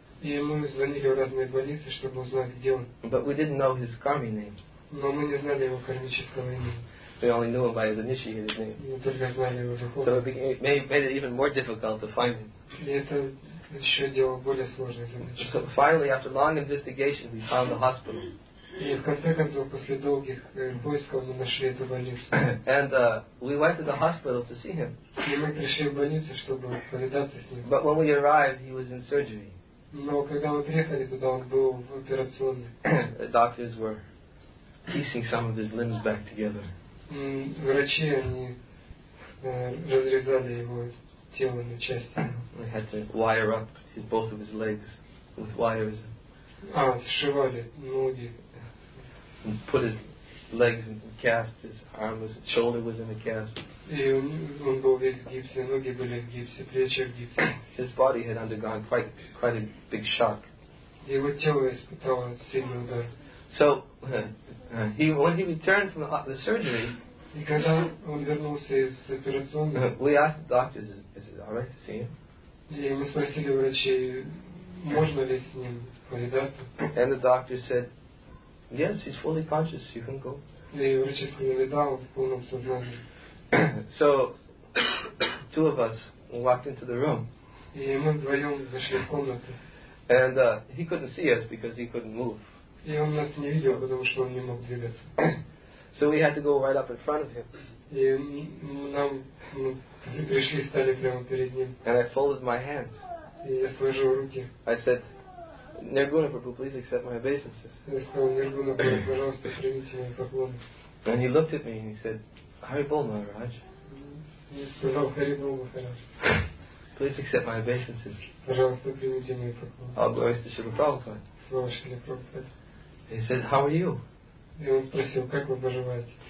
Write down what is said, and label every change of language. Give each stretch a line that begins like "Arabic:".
Russian: И мы звонили в разные больницы, чтобы узнать, где он.
English: But we didn't know his karmic name.
Russian: Но мы не знали его кармического имени.
English: We only knew him by his initiated name.
Russian: Мы только знали его духовное.
English: So it made it even more difficult to find him.
Russian: И это еще делало более сложной задачей.
English: So finally, after long investigation, we found the hospital.
Russian: И в конце концов, после долгих поисков, мы нашли эту больницу.
English: And we went to the hospital to see him.
Russian: И мы пришли в больницу, чтобы повидаться с ним.
English: But when we arrived, he was in surgery.
Russian: Но когда мы приехали туда, он был в операционной.
English: The doctors were piecing some of his limbs back together.
Russian: Врачи, они разрезали его тело на части.
English: They had to wire up both of his legs with wires.
Russian: А, сшивали ноги.
English: And put his legs in casts, his arm was, his shoulder was in a cast.
Russian: он был весь в гипсе, ноги были в гипсе, плечи в гипсе.
English: His body had undergone quite a big shock.
Russian: Его тело испытало сильный удар.
English: So when he returned from the surgery,
Russian: и когда он вернулся из операционной,
English: we asked the doctors, is it all right to see him?
Russian: И мы спросили врачей, можно ли с ним повидаться?
English: And the doctor said, yes, he's fully conscious, you can go.
Russian: И врачи сказали, да, он в полном сознании.
English: So two of us walked into the room.
Russian: И мы вдвоем зашли в комнату.
English: And he couldn't see us because he couldn't move.
Russian: И он нас не видел, потому что он не мог двигаться.
English: So we had to go right up in front of him.
Russian: И нам пришли, стали прямо перед ним.
English: And I folded my hands.
Russian: И я сложил руки.
English: I said, Nirguna Prabhu, please accept my obeisances.
Russian: Я сказал, Nirguna Prabhu, пожалуйста, примите мои поклоны.
English: And he looked at me and he said, Hari Bol Maharaj.
Russian: Я сказал, Hari Bol Maharaj.
English: Please accept my obeisances.
Russian: Пожалуйста, примите мои поклоны.
English: All glories to Srila Prabhupada.
Russian: Слава Шриле Прабхупаде.
English: He said, how are you?
Russian: И он спросил, как вы поживаете?